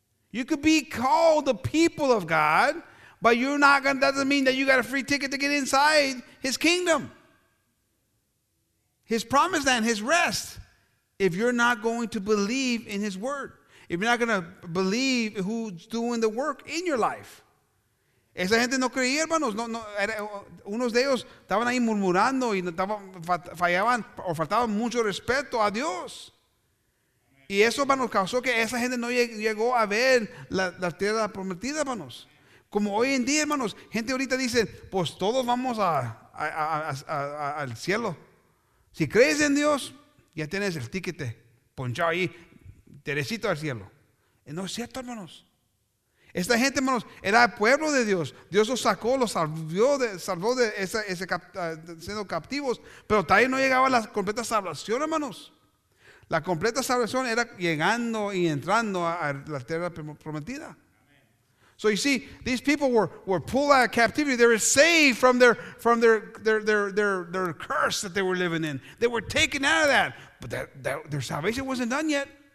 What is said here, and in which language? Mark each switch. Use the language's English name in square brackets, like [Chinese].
[English] You could be called the people of God, but you're not going to, that doesn't mean that you got a free ticket to get inside his kingdom, his promised land, his rest, if you're not going to believe in his word, if you're not going to believe who's doing the work in your life. [Spanish] Esa gente no creía, hermanos. No, no, unos de ellos estaban ahí murmurando y fallaban o faltaban mucho respeto a Dios. Y eso, hermanos, causó que esa gente no llegó a ver la tierra prometida, hermanos. Como hoy en día, hermanos, gente ahorita dice, pues todos vamos al cielo. Si crees en Dios, ya tienes el tiquete ponchado ahí, derechito al cielo. Y no es cierto, hermanos. Esta gente, hermanos, era el pueblo de Dios. Dios los sacó, los salvó de ese siendo captivos. Pero todavía no llegaba la completa salvación, hermanos. La completa salvación era llegando y entrando a la tierra prometida. [English] So you see, these people were pulled out of captivity. They were saved from their curse that they were living in. They were taken out of that. But their salvation wasn't done yet.